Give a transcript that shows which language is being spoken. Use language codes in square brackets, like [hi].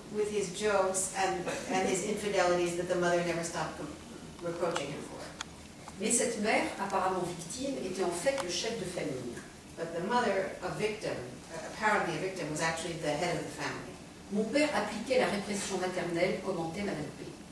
[en] With his jokes and his infidelities that the mother never stopped reproaching him for. [fr] Mais cette mère, apparemment victime, était en fait le chef de famille. [en] But the mother, a victim, apparently a victim, was actually the head of the family. [fr] Mon père appliquait la répression maternelle, commentait Madame P.